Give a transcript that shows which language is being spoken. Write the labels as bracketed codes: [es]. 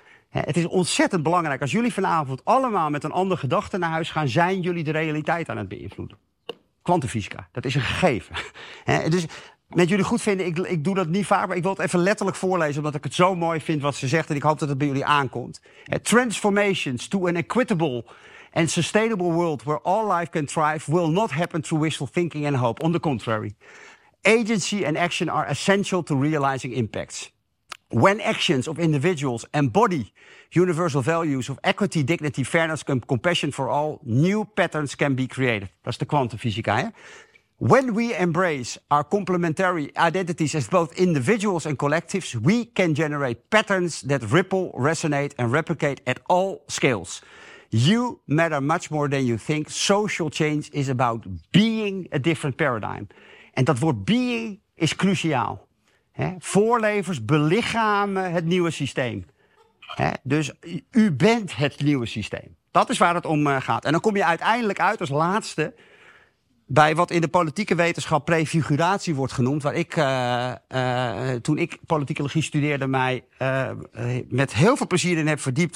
[nl] Het is ontzettend belangrijk. Als jullie vanavond allemaal met een andere gedachte naar huis gaan, zijn jullie de realiteit aan het beïnvloeden. Kwantumfysica, dat is een gegeven. Dus met jullie goed vinden, ik doe dat niet vaak, maar ik wil het even letterlijk voorlezen, omdat ik het zo mooi vind wat ze zegt en ik hoop dat het bij jullie aankomt. [en] Transformations to an equitable and sustainable world where all life can thrive will not happen through wishful thinking and hope. On the contrary, agency and action are essential to realizing impacts. When actions of individuals embody universal values of equity, dignity, fairness, compassion for all, new patterns can be created. [nl] Dat is de kwantumfysica, hè? [en] When we embrace our complementary identities as both individuals and collectives, we can generate patterns that ripple, resonate and replicate at all scales. You matter much more than you think. Social change is about being a different paradigm. [nl] En dat woord being is cruciaal. Voorlevers belichamen het nieuwe systeem. Dus u bent het nieuwe systeem. Dat is waar het om gaat. En dan kom je uiteindelijk uit als laatste bij wat in de politieke wetenschap prefiguratie wordt genoemd, waar ik, toen ik politicologie studeerde, mij met heel veel plezier in heb verdiept.